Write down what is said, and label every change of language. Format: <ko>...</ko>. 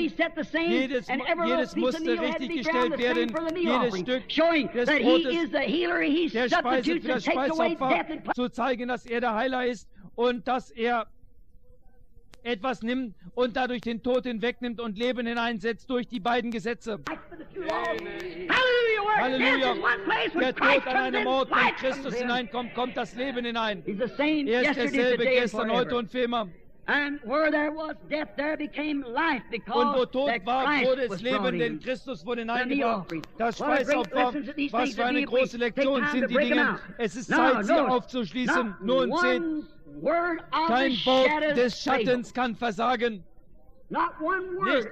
<de>jedes musste richtig gestellt werden, jedes Stück des Brotes, der Speise für das Speisopfer, zu zeigen, dass er der Heiler ist und dass er etwas nimmt und dadurch den Tod hinwegnimmt und Leben hineinsetzt durch die beiden Gesetze. Amen. Halleluja! Der Tod an einem Ort, wenn Christus hineinkommt, kommt das Leben hinein. Er ist derselbe gestern, heute und für immer.</de> <en>And where there was death, there became life, because</en> <de>und wo Tod war, wurde es Leben, denn Christus wurde hineingebracht. Das Speisopfer, was für eine große Lektion sind die Dinge. Es ist Zeit, sie aufzuschließen. Nun, seht, kein Wort des Schattens kann versagen.</de> <en>Not one word</en> <de>Nicht</de>